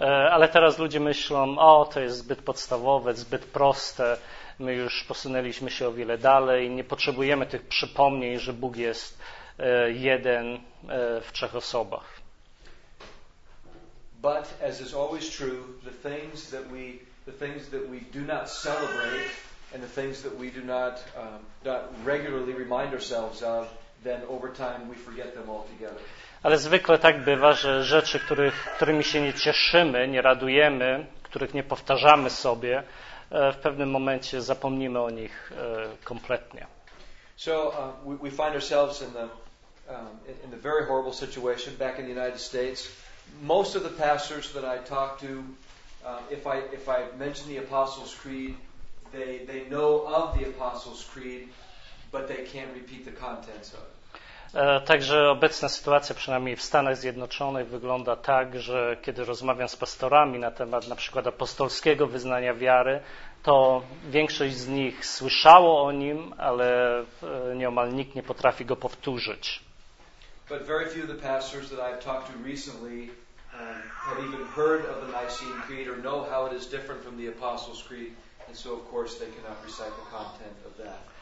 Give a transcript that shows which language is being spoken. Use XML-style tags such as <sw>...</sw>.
<pl>Ale teraz ludzie myślą, o, to jest zbyt podstawowe, zbyt proste, My już posunęliśmy się o wiele dalej. Nie potrzebujemy tych przypomnień, że Bóg jest jeden w trzech osobach.</pl> <en>But as is always true, the things that we do not celebrate and the things that we do not regularly remind ourselves of, then over time we forget them altogether.</en> <pl>Ale zwykle tak bywa, że rzeczy, którymi się nie cieszymy, nie radujemy, których nie powtarzamy sobie, w pewnym momencie zapomnimy o nich kompletnie.</pl> <en>So we find ourselves in the very horrible situation back in the United States. Most of the pastors that I talk to, if I mention the Apostles' Creed, they know of the Apostles' Creed, but they can't repeat the contents of it.</en> <pl>Także obecna sytuacja, przynajmniej w Stanach Zjednoczonych, wygląda tak, że kiedy rozmawiam z pastorami na temat na przykład apostolskiego wyznania wiary, to większość z nich słyszało o nim, ale nieomal nikt nie potrafi go powtórzyć.</pl> <en>But very few of the pastors that I've talked to recently have even heard of the Nicene Creed or know how it is different from the Apostles' Creed, and so of course they cannot recite the content of that.</en>